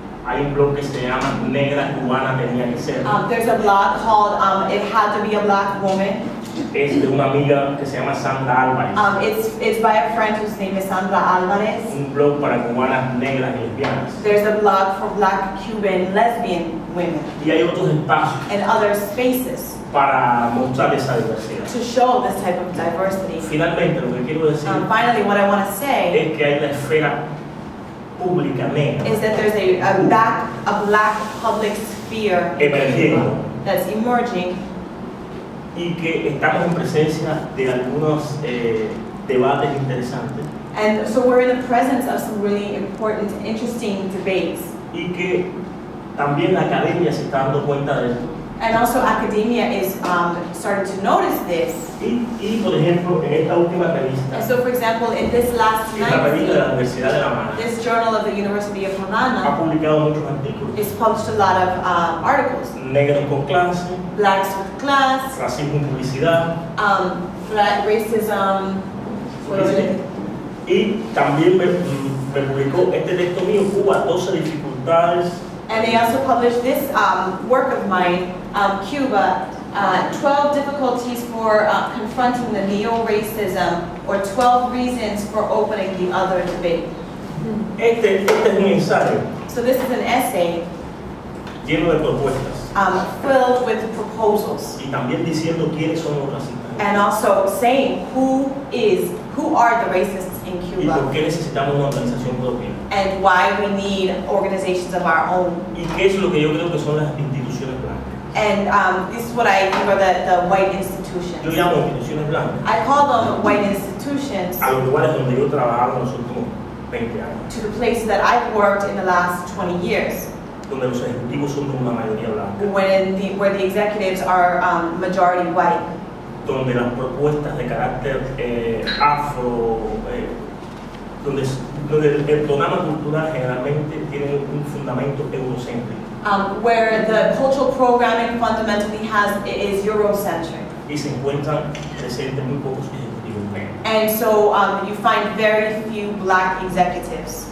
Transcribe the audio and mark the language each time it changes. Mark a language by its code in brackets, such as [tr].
[es] Hay un blog que se llama Negra Cubana Tenía Que Ser. [en] There's a blog called It Had To Be A Black Woman. [es] Es de una amiga que se llama Sandra Álvarez. [en] It's by a friend whose name is Sandra Álvarez. [es] Un blog para cubanas negras y lesbianas. [en] There's a blog for black Cuban lesbian women. [es] Y hay otros espacios. [en] And other spaces. [es] Para mostrar esa diversidad. [en] To show this type of diversity. [es] Finalmente, lo que quiero decir. [en] Finally, what I want to say. [es] Es que hay la esfera pública negra. [en] Is that there's a black public sphere. [es] Emergiendo. [en] That's emerging. [es] Y que estamos en presencia de algunos debates interesantes. [en] And so we're in the presence of some really important, interesting debates. [es] Y que también la academia se está dando cuenta de esto. [en] And also academia is starting to notice this. [es] Y por ejemplo, en esta última revista. [en] And so for example, in this last night, this journal of the University of Havana [es] ha publicado muchos artículos. [en] Is published a lot of articles. [es] Negros con clase. [en] Blacks with class. [es] Racismo en publicidad. [en] Racism. [es] Y también me publicó este texto mío, Cuba, 12 dificultades. [en] And they also published this work of mine, Cuba, 12 difficulties for confronting the neo-racism, or 12 reasons for opening the other debate. [es] Este es un ensayo. [en] So this is an essay [es] lleno de propuestas. [en] Filled with proposals. [es] Y también diciendo quiénes son los racistas. [en] And also saying who are the racists in Cuba. [es] Y por qué necesitamos una organización propia. [en] And why we need organizations of our own. [es] Y qué es lo que yo creo que son las instituciones blancas. [en] And this is what I think are the white institutions. [es] Yo llamo instituciones blancas. [en] I call them white institutions. [es] A los lugares donde yo trabajaba en los últimos 20 años. [en] To the places that I've worked in the last 20 years. [es] Donde los ejecutivos son de una mayoría blanca. [en] Where the executives are majority white. [es] Donde las propuestas de carácter afro. Donde el programa cultural generalmente tiene un fundamento eurocéntrico. [en] Where the cultural programming fundamentally is eurocentric. [es] Y se encuentran presentes muy pocos ejecutivos negros. [en] And so you find very few black executives.